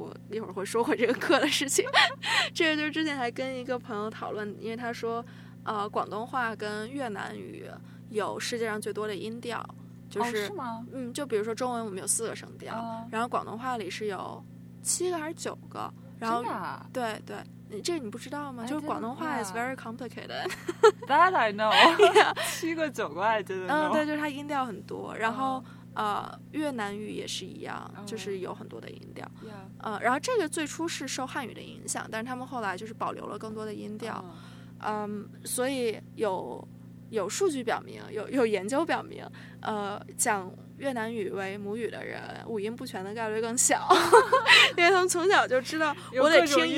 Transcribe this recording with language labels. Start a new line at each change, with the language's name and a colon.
Chinese: 一会儿会说回这个课的事情这个就是之前还跟一个朋友讨论，因为他说广东话跟越南语有世界上最多的音调，就是，是吗？就比如说中文我们有四个声调，然后广东话里是有七个还是九个，然后真的啊？对对，这个你不知道吗？就是广东话
English: is very complicated that I know 、 yeah.
Chinese: 七个九个
English: I didn't know
Chinese: 对，就是它音调很多，然后越南语也是一样，就是有很多的音调，然后这个最初是受汉语的影响，但是他们后来就是保留了更多的音调，所以有数据表明，有研究表明，讲越南语为母语的人五音不全的概率更小因为他们从小就知道我得听